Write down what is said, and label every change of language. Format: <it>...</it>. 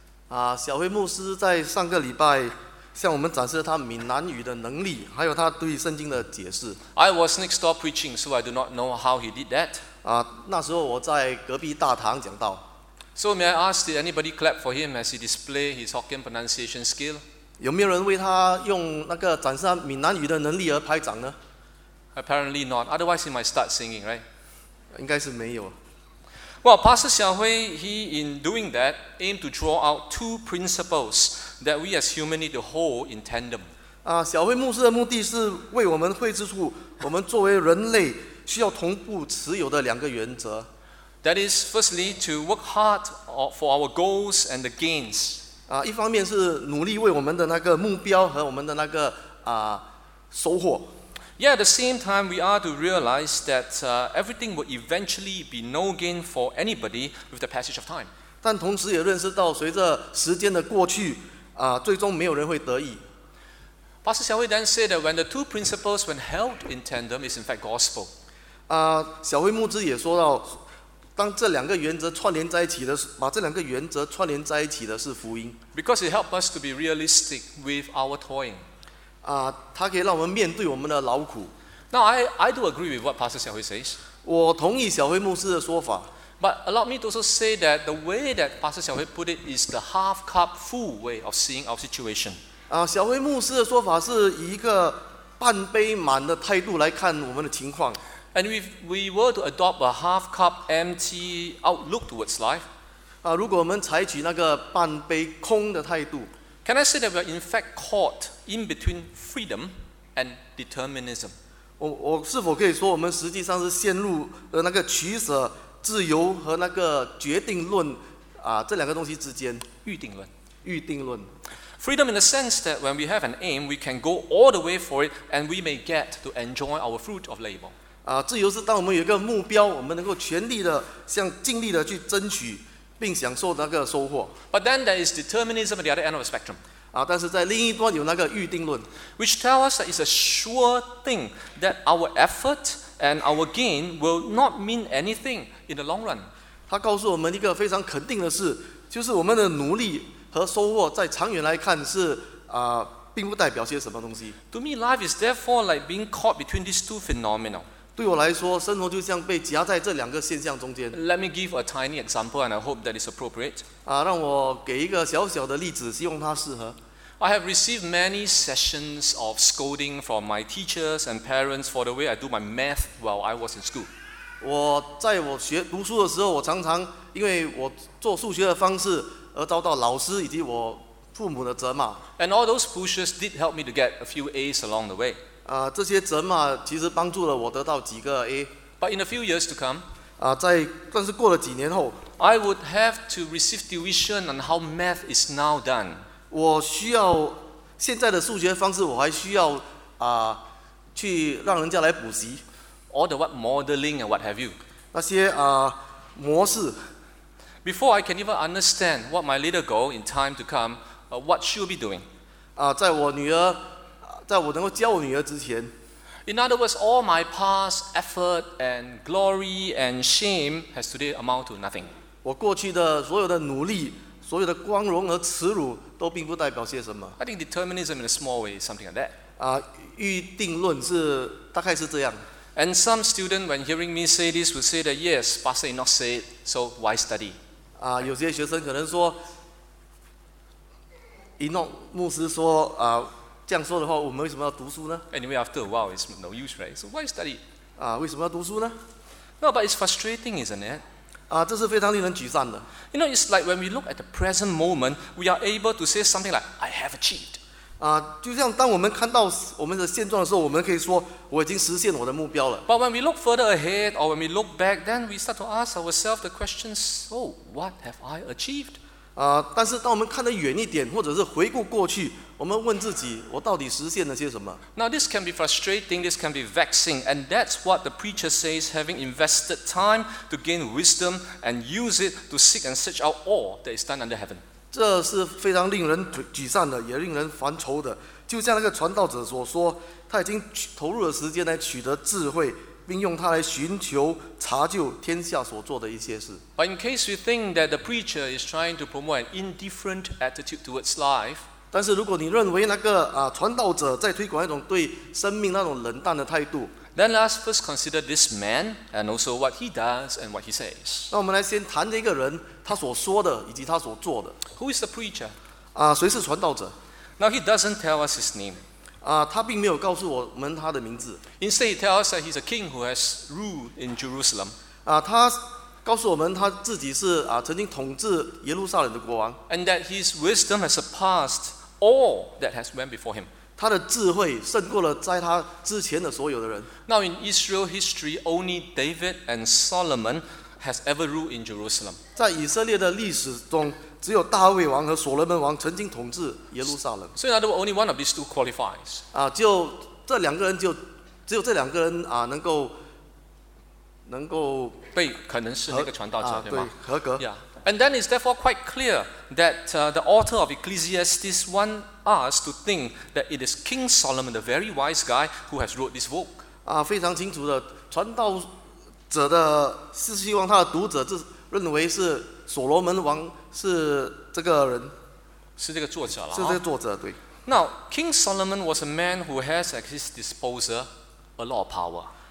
<zh>Xiaohui 牧师在上个礼拜向我们展示了他闽南语的能力，还有他对圣经的解释。</zh> <en>I was next door preaching, so I do not know how he did that.</en> <zh>那时候我在隔壁大堂讲道。</zh> <en>So may I ask, did anybody clap for him as he display his Hokkien pronunciation skill?</en> <zh>有没有人为他用那个展示他闽南语的能力而拍掌呢？</zh> <en>Apparently not. Otherwise, he might start singing, right?</en> <zh>应该是没有。</zh> <en>Well, Pastor Xiaohui, he in doing that, aimed to draw out two principles that we as humans need to hold in tandem.</en> <zh>小辉牧师的目的是为我们绘制出我们作为人类需要同步持有的两个原则。</zh> <en>That is, firstly, to work hard for our goals and the gains.</en> <zh>一方面是努力为我们的那个目标和我们的那个收获。</zh> <en>Yeah, at the same time, we are to realize that everything will eventually be no gain for anybody with the passage of time.</en> <zh>但同时也认识到随着时间的过去，最终没有人会得益。</zh> <en>Pastor Xiaohui then said that when the two principles when held in tandem is in fact gospel.</en> <zh>小辉牧师也说到，当这两个原则串联在一起的是，把这两个原则串联在一起的是福音。</zh> <en>Because it helps us to be realistic with our toiling.</en> <zh>他可以让我们面对我们的劳苦。</zh> <en>Now I do agree with what Pastor Xiaohui says.</en> <zh>我同意小辉牧师的说法。</zh> <en>But allow me to also say that the way that Pastor Xiaohui put it is the half cup full way of seeing our situation.</en> <zh>小辉牧师的说法是以一个半杯满的态度来看我们的情况。</zh> <en>And if we were to adopt a half cup empty outlook towards life,</en> <zh>如果我们采取那个半杯空的态度。</zh> <en>Can I say that we are in fact caught in between freedom and determinism?</en> <zh>我是否可以说我们实际上是陷入那个取舍、自由和那个决定论这两个东西之间？预定论。</zh> <en>Freedom in the sense that when we have an aim, we can go all the way for it, and we may get to enjoy our fruit of labor.</en> <zh>自由是当我们有一个目标，我们能够全力的、像尽力的去争取。并享受那个收获。</zh> <en>But then there is determinism at the other end of the spectrum.</en> <zh>但是在另一端有那个预定论。</zh> <en>Which tells us that it's a sure thing that our effort and our gain will not mean anything in the long run.</en> <zh>它告诉我们一个非常肯定的事，就是我们的努力和收获在长远来看是并不代表些什么东西。</zh> <en>To me, life is therefore like being caught between these two phenomena.</en> <zh>对我来说，生活就像被夹在这两个现象中间。</zh> <en>Let me give a tiny example, and I hope that is appropriate.</en> <zh>让我给一个小小的例子，希望它适合。</zh> <en>I have received many sessions of scolding from my teachers and parents for the way I do my math while I was in school.</en> <zh>我在我学读书的时候，我常常因为我做数学的方式而遭到老师以及我父母的责骂。</zh> <en>And all those pushes did help me to get a few A's along the way.</en> <zh>这些责骂其实帮助了我得到几个 A.</zh> <en>But in a few years to come,</en> <zh>但是过了几年后</zh> <en>I would have to receive tuition on how math is now done.</en> <zh>我需要现在的数学方式，我还需要去让人家来补习。</zh> <en>All the what modeling and what have you?</en> <zh>那些模式。</zh> <en>Before I can even understand what my little girl in time to come, what she'll be doing.</en> <zh>在我能够教我女儿之前。</zh> <en>In other words, all my past effort and glory and shame has today amount to nothing.</en> <zh>我过去的所有的努力，所有的光荣和耻辱，都并不代表些什么。</zh> <en>I think determinism in a small way is something like that.</en> <zh>预定论是大概是这样。</zh> <en>And some students, when hearing me say this, will say that yes, Pastor did not say it, so why study?</en> <zh>有些学生可能说，伊诺牧师说这样说的话，我们为什么要读书呢</zh> <en>？Anyway, after a while, it's no use, right? So why study?</en> <zh>为什么要读书呢</zh> <en>？No, but it's frustrating, isn't it?</en> <zh>这是非常令人沮丧的。</zh> <en>You know, it's like when we look at the present moment, we are able to say something like, "I have achieved."</en> <zh>就像当我们看到我们的现状的时候，我们可以说我已经实现我的目标了。</zh> <en>But when we look further ahead, or when we look back, then we start to ask ourselves the question, "So, what have I achieved?"</en> <zh>但是当我们看得远一点，或者是回顾过去。我们问自己，我到底实现了些什么？</zh> <en>Now this can be frustrating, this can be vexing, and that's what the preacher says, having invested time to gain wisdom and use it to seek and search out all that is done under heaven.</en> <zh>这是非常令人沮丧的，也令人烦愁的。就像那个传道者所说，他已经投入了时间来取得智慧，并用它来寻求查究天下所做的一些事。</zh> <en>But in case you think that the preacher is trying to promote an indifferent attitude towards life,</en> <zh>但是如果你认为那个传道者在推广一种对生命那种冷淡的态度</zh> <en>，Then let's first consider this man and also what he does and what he says。</en> <zh>那我们来先谈这个人，他所说的以及他所做的。</zh> <en>Who is the preacher？</en> <zh>谁是传道者</zh> <en>？Now he doesn't tell us his name。</en> <zh>他并没有告诉我们他的名字。</zh> <en>Instead, he tells us that he's a king who has ruled in Jerusalem。</en> <zh>他告诉我们他自己是曾经统治耶路撒冷的国王</zh> <en>，and that his wisdom has surpassed all that has went before him。</en> <zh>他的智慧胜过了在他之前的所有的人。</zh> <en>Now in Israel history, only David and Solomon has ever ruled in Jerusalem。</en> <zh>在以色列的历史中，只有大卫王和所罗门王曾经统治耶路撒冷。</zh> <en>So in other words, only one of these two qualifies。</en> <zh>就这两个人就只有这两个人能够被可能是那个传道者对吗？合格。</zh> <en>Yeah. And then it's therefore quite clear that the author of Ecclesiastes want us to think that it is King Solomon, the very wise guy, who has wrote this book.</en> <zh>非常清楚的，传道者的是希望他的读者是认为是所罗门王是这个人，是这个作者了。是这个作者对。</zh> <en>Now King Solomon was a man who has at his disposal a lot of power.</en>